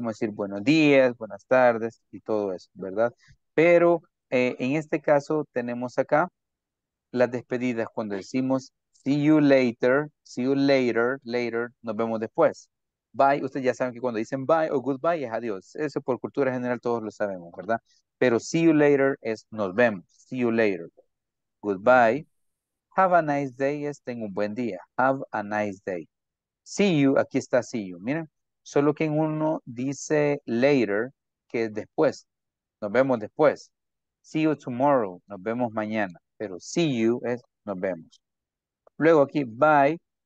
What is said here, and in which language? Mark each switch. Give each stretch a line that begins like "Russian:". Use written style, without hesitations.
Spanish: ¿Cómo decir buenos días, buenas tardes y todo eso, ¿verdad? Pero en este caso tenemos acá las despedidas cuando decimos
English: see you later, later,
Spanish: nos vemos después. Bye, ustedes ya saben que cuando dicen bye o goodbye es adiós. Eso por cultura general todos lo sabemos, ¿verdad? Pero
English: see you later
Spanish: es nos vemos, see you later.
English: Goodbye. Have a nice day
Spanish: es tengo un buen día.
English: Have a nice day. See you,
Spanish: aquí está see you, miren. Solo que en uno dice later, que es después. Nos vemos después.
English: See you tomorrow.
Spanish: Nos vemos mañana. Pero
English: see you
Spanish: es nos vemos. Luego aquí, bye.